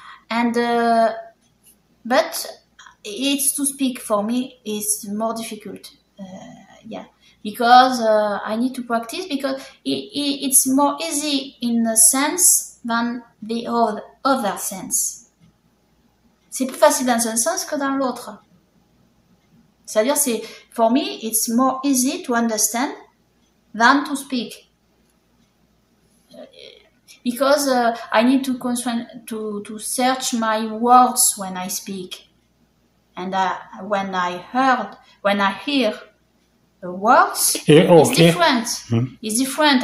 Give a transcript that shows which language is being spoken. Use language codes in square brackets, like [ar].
[en] And but it's to speak for me is more difficult. Because I need to practice. Because it's more easy in a sense than the other sense. [fr] C'est plus facile dans un sens que dans l'autre. C'est-à-dire, c'est, [en] for me, it's more easy to understand than to speak. Because I need to search my words when I speak. And when I hear the words, it's different. It's different.